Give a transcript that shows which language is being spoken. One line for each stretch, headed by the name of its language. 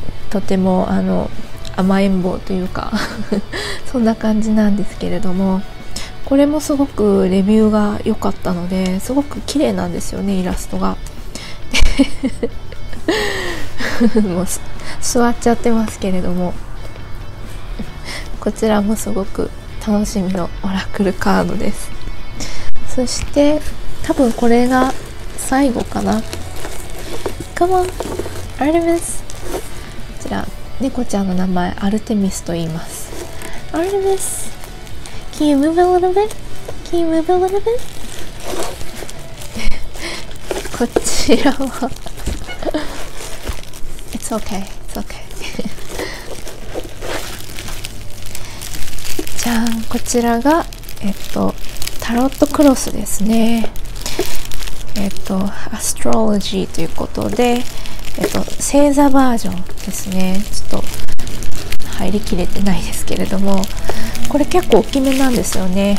Japanese: とても甘えん坊というかそんな感じなんですけれども、これもすごくレビューが良かったので、すごく綺麗なんですよね、イラストがもう座っちゃってますけれども、こちらもすごく楽しみのオラクルカードです。そして多分これが最後かな。
English: Come on Artemis、
Japanese: こちら猫ちゃんの名前アルテミスと言います。
English: Artemis Can you move a little bit? Can you move a little bit?
Japanese: こちらは
English: It's okay, it's okay.
Japanese: じゃん、こちらが、タロットクロスですね。アストロロジーということで、星座バージョンですね。ちょっと入りきれてないですけれども、これ結構大きめなんですよね。